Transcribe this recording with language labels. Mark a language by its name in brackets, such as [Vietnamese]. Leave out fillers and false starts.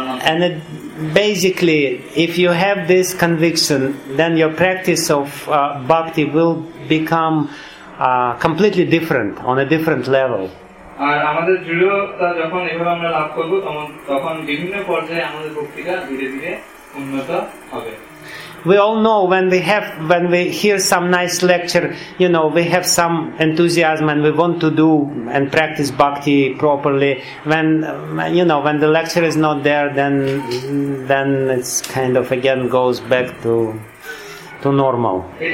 [English] And it basically, if you have this conviction, then your practice of bhakti will become completely different, on a different level. [Bangla] আর আমাদের দৃঢ়তা যখন এভাবে আমরা লাভ করবো, তখন বিভিন্ন পর্যায়ে আমাদের বক্তৃতা ধীরে ধীরে উন্নত হবে। [English] We all know when we hear some nice lecture, you know, we have some enthusiasm and we want to do and practice bhakti properly. When, you know, when the lecture is not there, then it's kind of again goes back to to normal.